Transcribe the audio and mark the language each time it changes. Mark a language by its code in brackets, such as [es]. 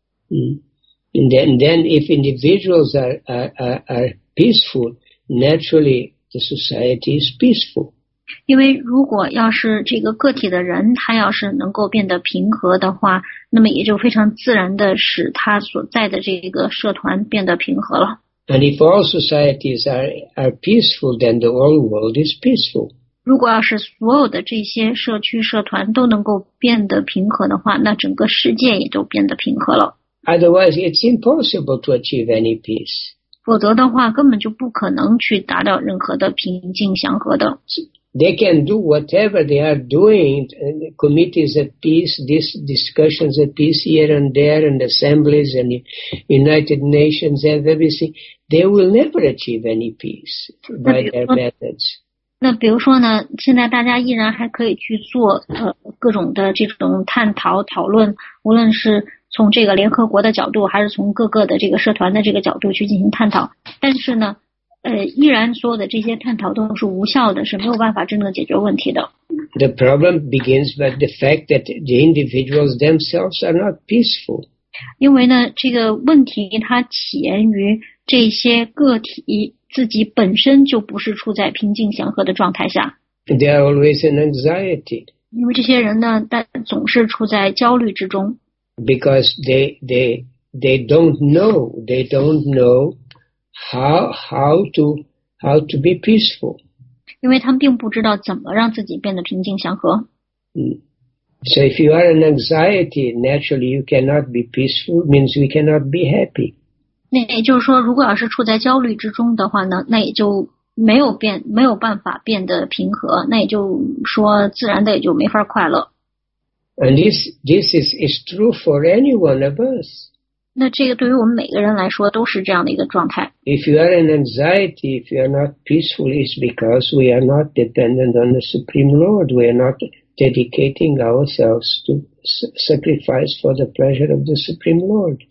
[en] And then if individuals are peaceful, naturally the society is peaceful. [zh] 因为如果要是这个个体的人他要是能够变得平和的话，那么也就非常自然的使他所在的这个社团变得平和了。 [en] And if all societies are peaceful, then the whole world is peaceful. [zh] 如果要是所有的这些社区社团都能够变得平和的话，那整个世界也就变得平和了。 [en] Otherwise, it's impossible to achieve any peace. [zh] 否则的话，根本就不可能去达到任何的平静祥和的。 [en] They can do whatever they are doing, committees of peace, these discussions of peace here and there, and assemblies and United Nations and everything. They will never achieve any peace by their methods. [zh] 那比如说呢，现在大家依然还可以去做各种的这种探讨讨论，无论是从这个联合国的角度，还是从各个的这个社团的这个角度去进行探讨，但是呢依然所有的这些探讨都是无效的，是没有办法真正解决问题的。 [en] The problem begins with the fact that the individuals themselves are not peaceful. [zh] 因为呢这个问题它起源于这些个体自己本身就不是处在平静祥和的状态下。 [en] They are always in anxiety. [zh] 因为这些人呢，总是处在焦虑之中。 [en] Because they don't know, they don't know how to be peaceful. [zh] 因为他们并不知道怎么让自己变得平静祥和。 [en] So if you are in anxiety, naturally you cannot be peaceful, means we cannot be happy. [zh] 那也就是说，如果要是处在焦虑之中的话呢，那也就没有办法变得平和，那也就说自然的也就没法快乐。 [en] And this is true for any one of us. [zh] 那这个对于我们每个人来说都是这样的一个状态。 [en] If you are in anxiety, if you are not peaceful, it's because we are not dependent on the Supreme Lord. We are not dedicating ourselves to sacrifice for the pleasure of the Supreme Lord.